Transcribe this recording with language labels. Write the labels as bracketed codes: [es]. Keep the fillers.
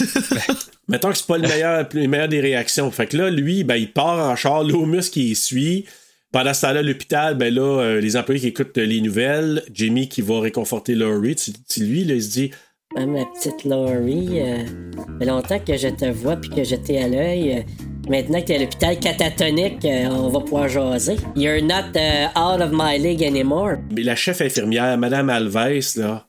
[fr] Ben, mettons que c'est pas le meilleur, des réactions. Fait que là, lui, ben, il part en char, muscle qui suit. Pendant ce temps-là, l'hôpital, ben là, les employés qui écoutent les nouvelles, Jimmy qui va réconforter Laurie, c'est lui, là, il se dit ah, ma petite Laurie, ça euh, fait longtemps que je te vois puis que je t'ai à l'œil. Euh, maintenant que t'es à l'hôpital catatonique, euh, on va pouvoir jaser. [en] You're not uh, out of my league anymore. [fr] Mais la chef infirmière, Madame Alves, là.